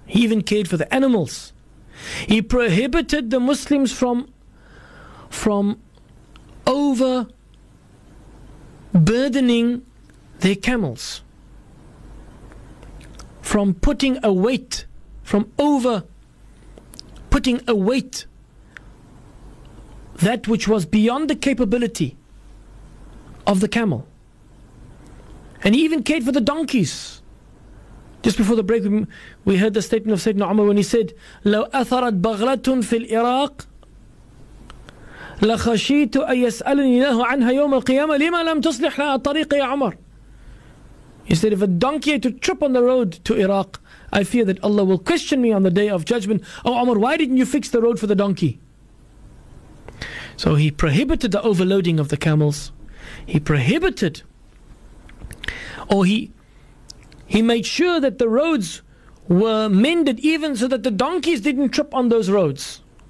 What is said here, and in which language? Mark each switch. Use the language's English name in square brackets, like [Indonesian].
[English] He even cared for the animals. He prohibited the Muslims from over burdening their camels, from over putting a weight that which was beyond the capability of the camel. And he even cared for the donkeys. Just before the break, we heard the statement of Sayyidina Umar when he said, [Arabic] لو أثرت بغلة في العراق لخشيت أن يسألني الله عنها يوم القيامة لما لم تصلح لها الطريق يا عمر. [English] He said, if a donkey had to trip on the road to Iraq, I fear that Allah will question me on the day of judgment. Oh Umar, why didn't you fix the road for the donkey? So he prohibited the overloading of the camels. He prohibited, or he made sure that the roads were mended even so that the donkeys didn't trip on those roads.